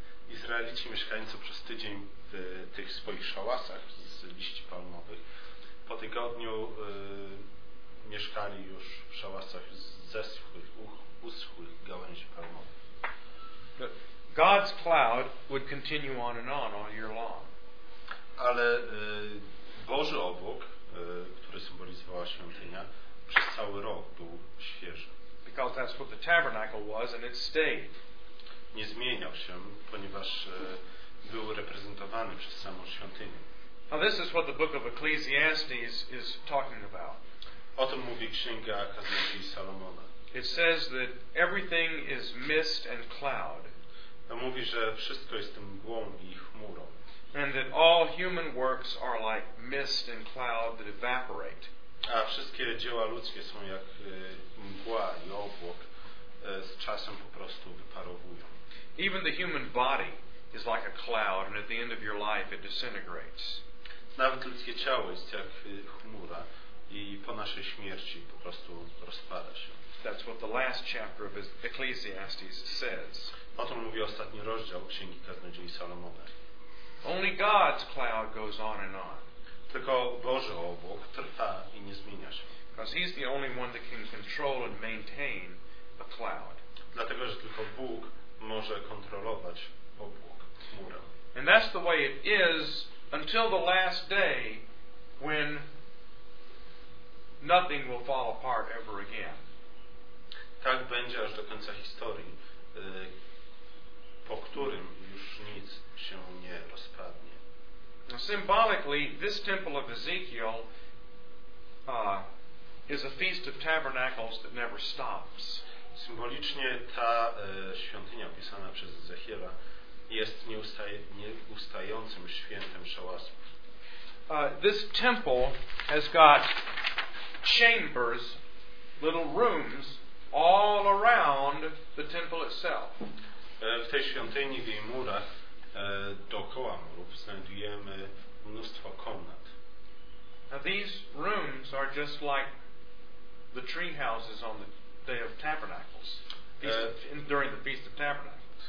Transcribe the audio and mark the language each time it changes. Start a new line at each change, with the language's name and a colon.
Polish: Izraelici mieszkańcy przez tydzień w tych swoich szałasach z liści palmowych, po tygodniu mieszkali już w szałasach ze suchych, uschłych gałęzi palmowych.
English: God's cloud would continue on and on all year long.
Polish: Ale Boży obłok, który symbolizowała świątynia, przez cały rok był świeży.
English: Because that's what the tabernacle was and it stayed.
Polish: Nie zmieniał się, ponieważ był reprezentowany przez samą świątynię.
English: Now this is what the book of Ecclesiastes is talking about.
Polish: O tym mówi Księga Kaznodziei Salomona.
English: It says that everything is mist and cloud.
Polish: On mówi, że wszystko jest tym mgłą i chmurą.
English: And that all human works are like mist and cloud that evaporate.
Polish: A wszystkie dzieła ludzkie są jak mgła i obłok, z czasem po prostu wyparowują.
English: Even the human body is like a cloud, and at the end of your life it disintegrates.
Polish: Nawet ludzkie ciało jest jak chmura i po naszej śmierci po prostu rozpada się.
English: That's what the last chapter of Ecclesiastes says.
Polish: O tym mówi ostatni rozdział Księgi Kaznodziei Salomona.
English: Only God's cloud goes on and on.
Polish: Tylko Boży obłok trwa i nie zmienia się.
English: Because He's the only one that can control and maintain a cloud.
Polish: Dlatego, że tylko Bóg może kontrolować obłok, chmurę.
English: And that's the way it is until the last day when nothing will fall apart ever again.
Polish: Tak będzie aż do końca historii, po którym już nic się nie rozpadnie.
English: Symbolically, this temple of Ezekiel is a feast of tabernacles that never stops.
Polish: Symbolicznie ta świątynia opisana przez Ezechiela jest nieustającym świętem szałasów.
English: This temple has got chambers, little rooms all around the temple itself.
Polish: W tej świątyni, w jej murach, dookoła murów, znajdujemy mnóstwo komnat.
English: Now these rooms are just like the tree houses on the day of tabernacles, during the feast of tabernacles.